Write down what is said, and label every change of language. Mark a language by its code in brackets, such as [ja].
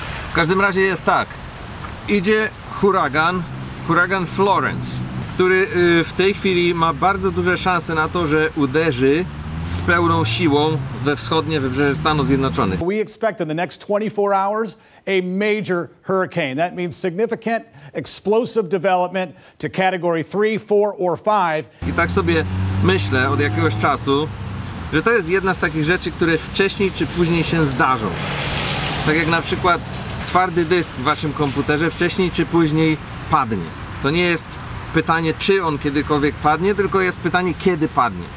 [pl] W każdym razie jest tak. Idzie huragan Florence, który w tej chwili ma bardzo duże szanse na to, że uderzy z pełną siłą we wschodnie wybrzeże Stanów Zjednoczonych. [en] We expect in the next 24 hours a major hurricane. That means significant explosive development to category 3, 4 or 5. [pl] I tak sobie myślę od jakiegoś czasu, że to jest jedna z takich rzeczy, które wcześniej czy później się zdarzą. Tak jak na przykład twardy dysk w waszym komputerze wcześniej czy później padnie. To nie jest pytanie, czy on kiedykolwiek padnie, tylko jest pytanie, kiedy padnie.